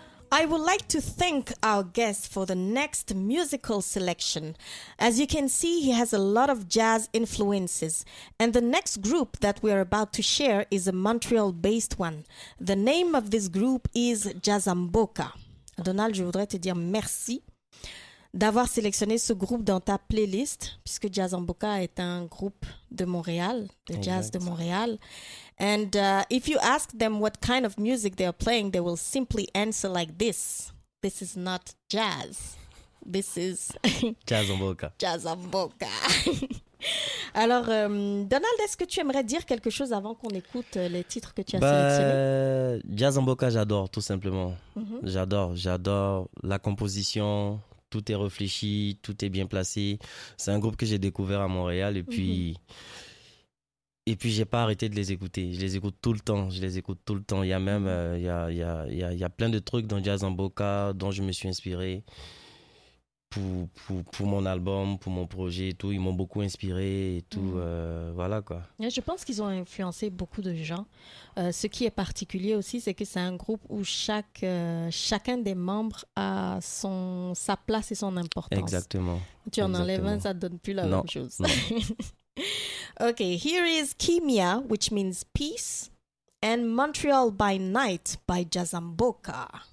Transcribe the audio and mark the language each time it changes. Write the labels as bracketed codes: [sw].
[en] I would like to thank our guest for the next musical selection. As you can see, he has a lot of jazz influences. And the next group that we are about to share is a Montreal-based one. The name of this group is Jazzamboka. [fr] Donald, je voudrais te dire merci d'avoir sélectionné ce groupe dans ta playlist, puisque Jazzamboka est un groupe de Montréal, de jazz de Montréal. [en] And if you ask them what kind of music they are playing, they will simply answer like this. This is not jazz. This is... Jazzamboka. Jazzamboka. [fr] Alors, Donald, est-ce que tu aimerais dire quelque chose avant qu'on écoute les titres que tu as sélectionnés? Jazzamboka, j'adore, tout simplement. Mm-hmm. J'adore la composition... Tout est réfléchi, tout est bien placé. C'est un groupe que j'ai découvert à Montréal et puis j'ai pas arrêté de les écouter. Je les écoute tout le temps, Il y a même il y a plein de trucs dans Jazzamboka dont je me suis inspiré pour mon album, pour mon projet et tout. Ils m'ont beaucoup inspiré et tout. Voilà quoi. Et je pense qu'ils ont influencé beaucoup de gens. Ce qui est particulier aussi, c'est que c'est un groupe où chacun des membres a sa place et son importance. Exactement. Tu en enlèves un, ça ne donne plus la même chose. Non. [en] Okay, here is Kimia, which means peace, and Montreal by Night by Jazzamboka.